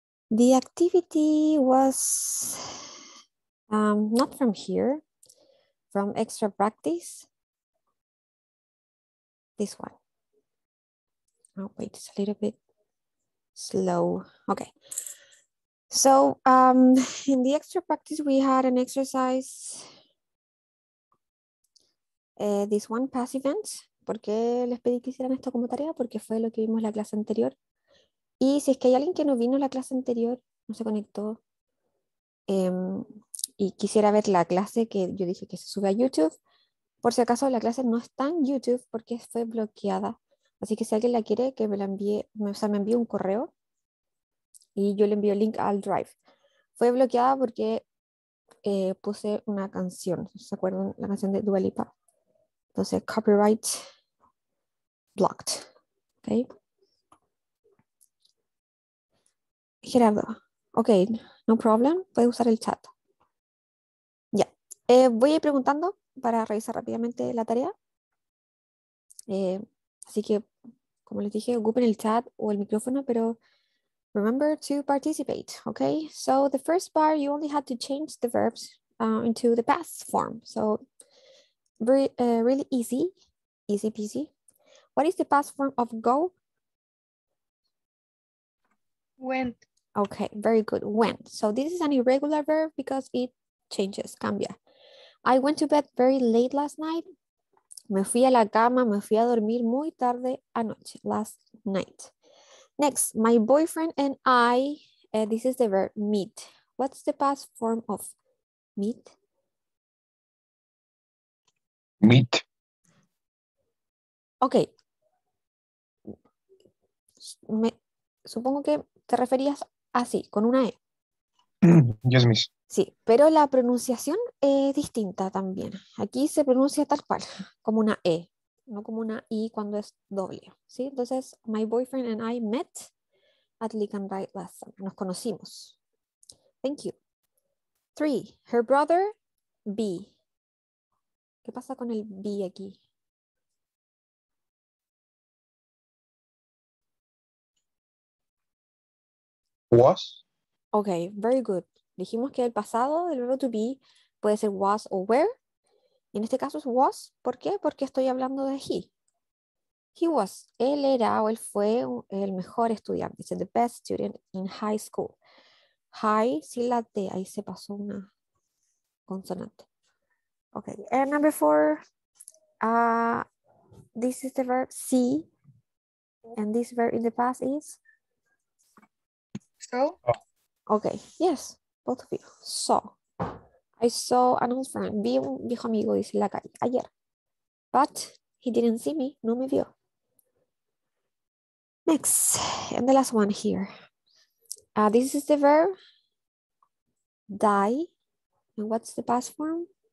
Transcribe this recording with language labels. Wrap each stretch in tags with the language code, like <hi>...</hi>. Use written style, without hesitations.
<en>The activity was not from here, from extra practice. This one. Oh, wait, it's a little bit slow. Okay. So, in the extra practice, we had an exercise. This one, past events.</en> <es>¿Por qué les pedí que hicieran esto como tarea? Porque fue lo que vimos la clase anterior. Y si es que hay alguien que no vino a la clase anterior, no se conectó, y quisiera ver la clase que yo dije que se sube a YouTube, por si acaso la clase no está en YouTube porque fue bloqueada. Así que si alguien la quiere, que me la envíe, o sea, me envíe un correo y yo le envío el link al Drive. Fue bloqueada porque puse una canción, ¿se acuerdan? La canción de Dua Lipa.</es> <en>Entonces, copyright blocked. Okay.</en> <es>Gerardo,</es> <en>ok, no problem,</en> <es>puede usar el chat. Voy a ir preguntando para revisar rápidamente la tarea. Así que, como les dije, ocupen el chat o el micrófono, pero</es> <en>remember to participate, ok? So, the first part, you only had to change the verbs into the past form. So, really easy, easy peasy. What is the past form of go? Went. Okay, very good. Went. So this is an irregular verb because it changes, cambia. I went to bed very late last night.</en> <es>Me fui a la cama, me fui a dormir muy tarde anoche,</es> <en>last night. Next, my boyfriend and I, this is the verb meet. What's the past form of meet? Meet. Okay.</en> <es>Supongo que te referías así, con una E.</es> <en>Yes, miss.</en> <es>Sí, pero la pronunciación es distinta también. Aquí se pronuncia tal cual, como una E, no como una I cuando es doble. ¿Sí?</es> <en>Entonces, my boyfriend and I met at Lick and Write last summer.</en> <es>Nos conocimos.</es> <en>Thank you. Three, her brother, B.</en> <es>¿Qué pasa con el B aquí?</es> <en>Was. Ok, very good.</en> <es>Dijimos que el pasado del verbo to be puede ser was o were. En este caso es was. ¿Por qué? Porque estoy hablando de he.</es> <en>He was.</en> <es>Él era o él fue el mejor estudiante.</es> <en>Dice the best student in high school. High,</en> <es>sin la T. Ahí se pasó una consonante.</es> <en>Ok, and number four. This is the verb see. And this verb in the past is. So. Okay, yes, both of you. So, I saw an old friend.</en> <es>Vi un viejo amigo, dice, en la calle, ayer.</es> <en>But he didn't see me,</en> <es>no me vio.</es> <en>Next, and the last one here. This is the verb die. And what's the past form?</en>